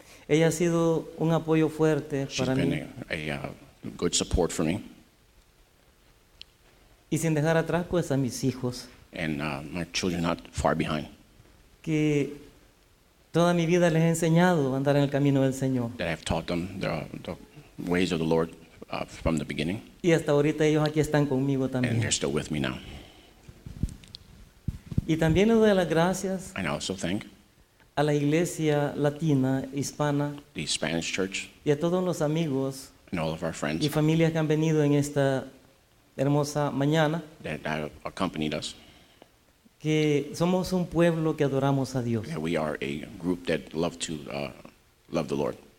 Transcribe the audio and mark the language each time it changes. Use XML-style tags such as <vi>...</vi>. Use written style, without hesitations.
<es>Ella ha sido un apoyo fuerte para mí.</es> <en>She's been a good support for me.</en> <es>Y sin dejar atrás pues a mis hijos.</es> <en>And my children are not far behind.</en> <es>Que Toda mi vida les he enseñado a andar en el camino del Señor.</es> <en>That I've taught them the ways of the Lord from the beginning.</en> <es>Y hasta ahorita ellos aquí están conmigo también.</es> <en>And they're still with me now.</en> <es>Y también le doy las gracias.</es> <en>And I also thank</en> <es>a la iglesia latina hispana.</es> <en>The Spanish church.</en> <es>Y a todos los amigos.</es> <en>And all of our friends.</en> <es>Y familias que han venido en esta hermosa mañana.</es> <en>That accompanied us.</en> <es>Que somos un pueblo que adoramos a Dios.</es> <en>That we are a group that love to love the Lord.</en>